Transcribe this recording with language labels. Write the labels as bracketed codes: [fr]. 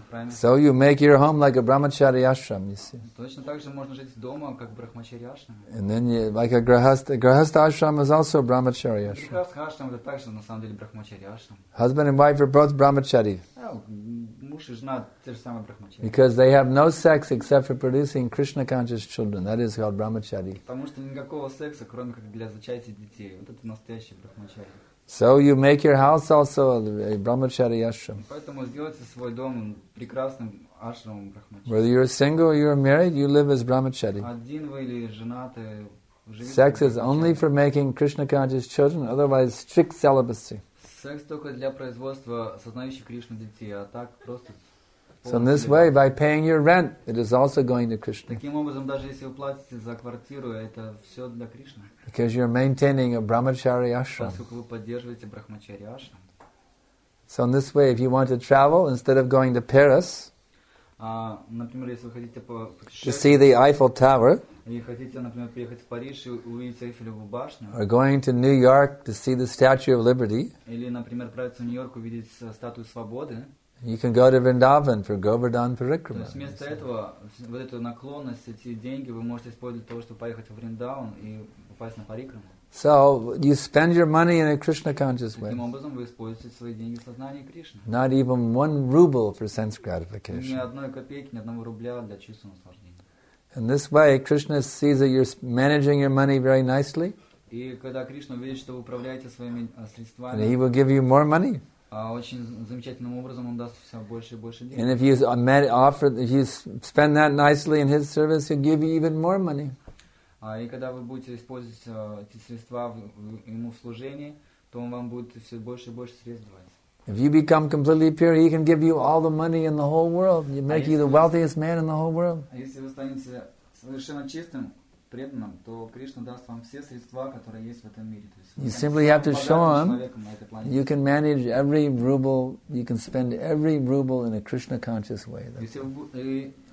[en] So you make your home like a brahmachari ashram, you see. [ru] Точно так же можно жить дома, как брахмачари ашрам. [en] And then you, like a grahastha ashram is also a brahmachari ashram. [ru] Grahastha ashram это также на самом деле брахмачари ашрам. [en] Husband and wife are both brahmachari. [ru] Муж и жена те же самые брахмачари. [en] Because they have no sex except for producing Krishna conscious children. That is called brahmachari. [ru] Потому что никакого секса, кроме как для зачатия детей. Вот это настоящий брахмачари. [en] So you make your house also a brahmachari ashram. [ru] Поэтому сделайте свой дом прекрасным ашрамом брахмачари. [en] Whether you're single or you're married, you live as brahmachari. [ru] Один вы или женаты, живите. [en] Sex is only for making Krishna conscious children, otherwise strict celibacy. [ru] Секс только для производства сознающих Кришну детей, а так просто. [en] So in this way, by paying your rent, it is also going to Krishna. [ru] Таким образом, даже если вы платите за квартиру, это все для Кришны. [en] Because you're maintaining a brahmachari ashram. [ru] Поскольку вы поддерживаете брахмачари ашрам. [en] So in this way, if you want to travel instead of going to Paris, [ru] например, если вы хотите [en] to see the Eiffel Tower, [ru] и хотите, например, приехать в Париж и увидеть Эйфелеву башню, [en] or going to New York to see the Statue of Liberty, [ru] или, например, отправиться в Нью-Йорк увидеть статую свободы. [en] You can go to Vrindavan for Govardhan Parikrama. [ru] То есть вместо этого, вот эту наклонность, эти деньги, вы можете использовать для того, чтобы поехать в Вриндаван и попасть на Парикраму. [en] So you spend your money in a Krishna conscious way. [ru] Таким образом вы используете свои деньги в сознании Кришны. [en] Not even one ruble for sense gratification. [ru] Ни одной копейки, ни одного рубля для чистого наслаждения. [en] In this way, Krishna sees that you're managing your money very nicely. [ru] И когда Кришна видит, что вы управляете своими средствами. [en] And he will give you more money. [ru] Очень замечательным образом он даст все больше и больше денег. [en] And if you spend that nicely in his service, he'll give you even more money. [ru] И когда вы будете использовать эти средства ему в служении, то он вам будет все больше и больше средств давать. [en] If you become completely pure, he can give you all the money in the whole world. You make you the wealthiest man in the whole world. [ru] А если вы станете совершенно чистым, преданным, то Кришна даст вам все средства, которые есть в этом мире. То есть, [en] you simply have to show him you can manage every ruble, you can spend every ruble in a Krishna conscious way.